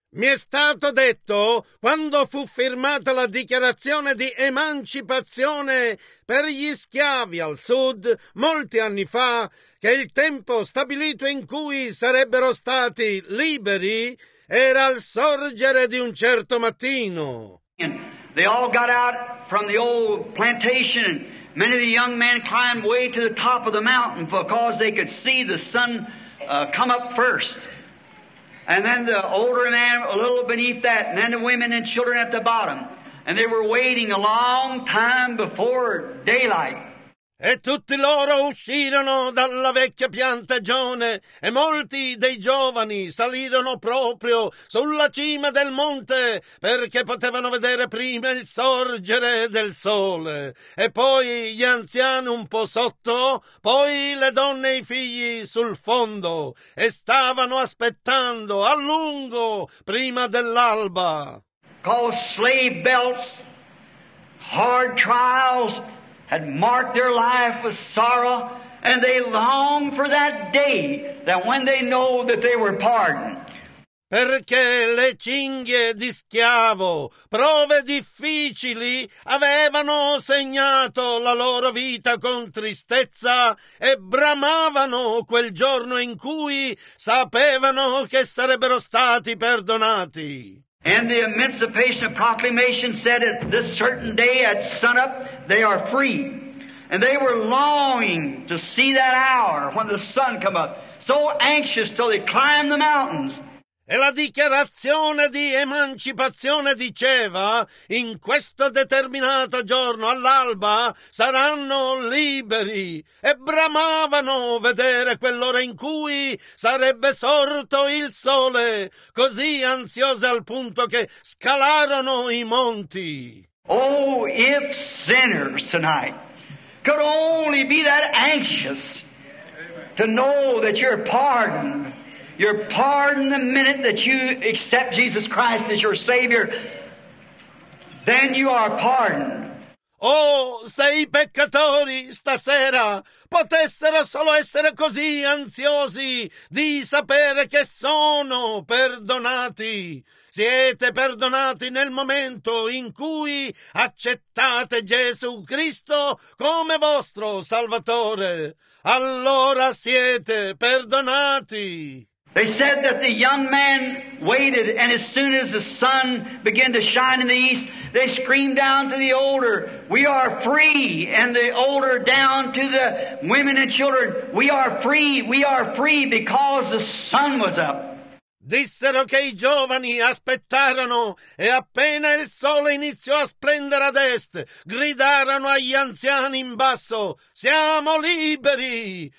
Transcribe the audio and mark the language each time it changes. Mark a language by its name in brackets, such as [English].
[Italian] Mi è stato detto, quando fu firmata la dichiarazione di emancipazione per gli schiavi al sud, molti anni fa, che il tempo stabilito in cui sarebbero stati liberi era al sorgere di un certo mattino. [English] And they all got out from the old plantation, and many of the young men climbed way to the top of the mountain because they could see the sun come up first. And then the older man a little beneath that, and then the women and children at the bottom. And they were waiting a long time before daylight. [Italian] E tutti loro uscirono dalla vecchia piantagione e molti dei giovani salirono proprio sulla cima del monte perché potevano vedere prima il sorgere del sole e poi gli anziani un po' sotto, poi le donne e i figli sul fondo e stavano aspettando a lungo prima dell'alba. [English] Called slave belts, hard trials, had marked their life with sorrow, and they longed for that day that when they know that they were pardoned. [Italian] Perché le cinghie di schiavo, prove difficili, avevano segnato la loro vita con tristezza e bramavano quel giorno in cui sapevano che sarebbero stati perdonati. [English] And the Emancipation Proclamation said at this certain day at sunup, they are free. And they were longing to see that hour when the sun come up, so anxious till they climbed the mountains. [Italian] E la dichiarazione di emancipazione diceva, in questo determinato giorno all'alba saranno liberi. E bramavano vedere quell'ora in cui sarebbe sorto il sole, così ansiose al punto che scalarono i monti. [English] Oh, if sinners tonight could only be that anxious to know that you're pardoned. You're pardoned the minute that you accept Jesus Christ as your Savior, then you are pardoned. [Italian] Oh, se i peccatori stasera potessero solo essere così ansiosi di sapere che sono perdonati. Siete perdonati nel momento in cui accettate Gesù Cristo come vostro Salvatore. Allora siete perdonati. [English] They said that the young man waited, and as soon as the sun began to shine in the east, they screamed down to the older, "We are free," and the older down to the women and children, we are free, because the sun was up. [Italian] Dissero che i giovani aspettarono e appena il sole iniziò a splendere ad est, gridarono agli anziani in basso, siamo liberi!